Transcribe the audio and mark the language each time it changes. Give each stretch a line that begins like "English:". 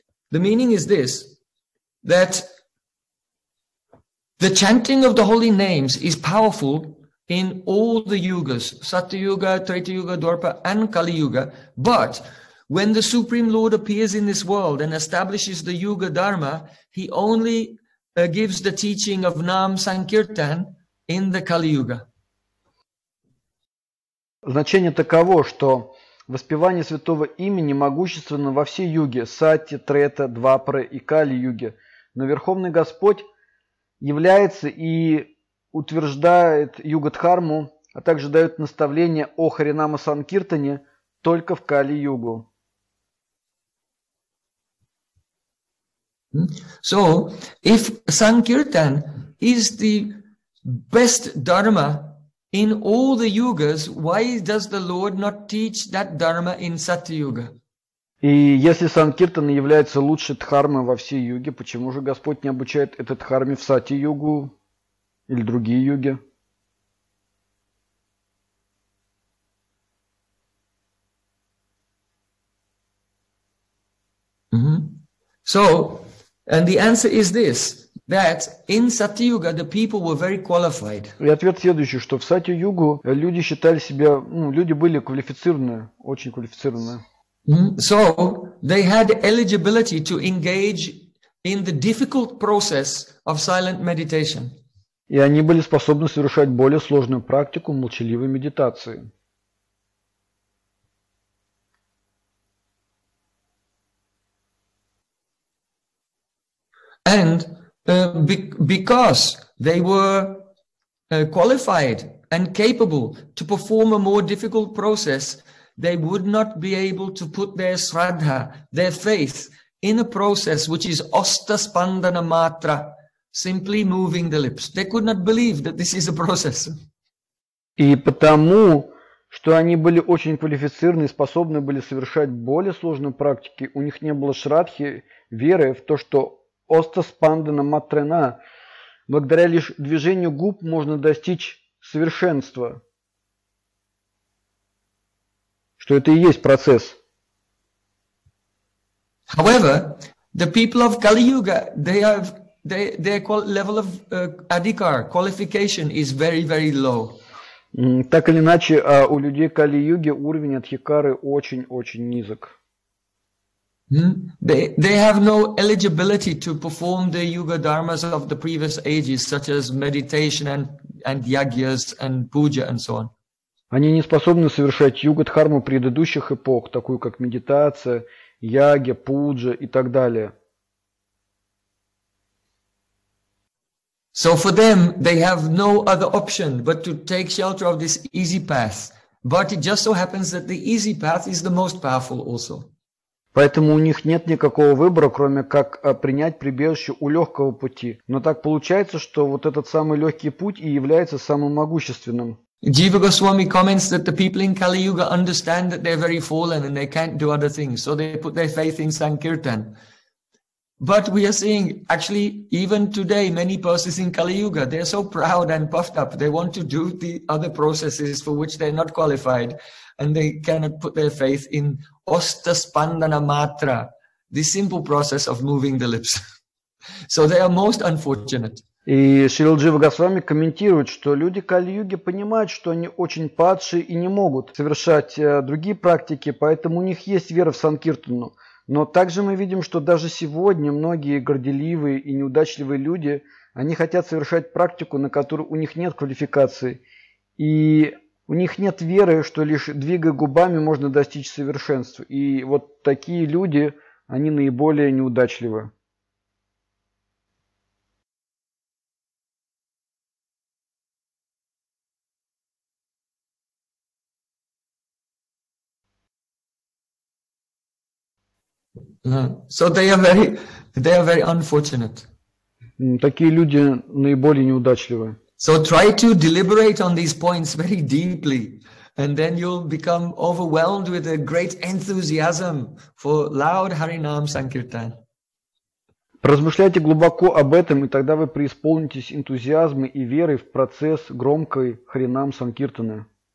English: The meaning is this, that the chanting of the holy names is powerful in all the yugas, Satyayuga, Treta Yuga, Dwarpa, and Kali Yuga. But when the Supreme Lord appears in this world and establishes the Yuga Dharma, he only gives the teaching of Nam Sankirtan in the Kali Yuga.
Russian: Значение таково, что воспевание святого имени могущественно во всей юге – Сати, Трета, Двапра и Кали-юге. Но Верховный Господь является и утверждает Юга-дхарму, а также дает наставление о Харинама-санкиртане только в Кали-югу.
English: So, if Sankirtan is the best dharma in all the yugas, why does the Lord not teach that dharma in Satyayuga?
Russian: И если Санкиртана является лучшей дхармой во всей юге, почему же Господь не обучает этот дхарме в Сати-югу или другие юги?
English: Mm-hmm. So, and the answer is this. That in Satyayuga the people were very qualified.
Russian: И ответ следующий, что в Сати-югу люди считали себя, люди были квалифицированные, очень квалифицированные.
English: So they had eligibility to engage in the difficult process of silent meditation.
Russian: И они были способны совершать более сложную практику молчаливой медитации.
English: And because they were qualified and capable to perform a more difficult process, they would not be able to put their sraddha, their faith, in a process which is asta spandana matra, simply moving the lips. They could not believe that this is a process.
Russian: И потому, что они были очень квалифицированы и способны были совершать более сложные практики, у них не было шрадхи, веры в то, что Оста спандана матрена. Благодаря лишь движению губ можно достичь совершенства. Что это и есть процесс.
English: However, the people of Kali Yuga, they have their level of adhikar, qualification is very, very low.
Russian: Так или иначе, у людей Кали Юги уровень адхикары очень-очень низок.
English: They have no eligibility to perform the yuga dharmas of the previous ages, such as meditation and yagyas and puja and so on.
Russian: Они не способны совершать юга-дхарму предыдущих эпох, такую как медитация, яги, пуджа и так далее.
English: So for them, they have no other option but to take shelter of this easy path. But it just so happens that the easy path is the most powerful also.
Russian: Поэтому у них нет никакого выбора, кроме как принять прибежище у легкого пути. Но так получается, что вот этот самый легкий путь и является самым могущественным.
English: Jiva Goswami comments that the people in Kali Yuga understand that they're very fallen and they can't do other things, so they put their faith in Sankirtan. But we are seeing, actually, even today, many persons in Kali Yuga, they are so proud and puffed up. They want to do the other processes for which they are not qualified, and they cannot put their faith in ostaspandana matra, the simple process of moving the lips. So they are most unfortunate.
Russian: И Шрила Джива Госвами комментирует, что люди Кали-Юги понимают, что они очень падшие и не могут совершать другие практики, поэтому у них есть вера в Санкиртану. Но также мы видим, что даже сегодня многие горделивые и неудачливые люди, они хотят совершать практику, на которой у них нет квалификации. И у них нет веры, что лишь двигая губами можно достичь совершенства. И вот такие люди, они наиболее неудачливы.
English: So they are very unfortunate.
Russian: Такие люди наиболее неудачливы.
English: So try to deliberate on these points very deeply, and then you'll become overwhelmed with a great enthusiasm for loud Harinam Sankirtan.
Russian: Размышляйте глубоко об этом, и тогда вы преисполнитесь энтузиазма и веры в процесс громкой Харинам Санкиртаны.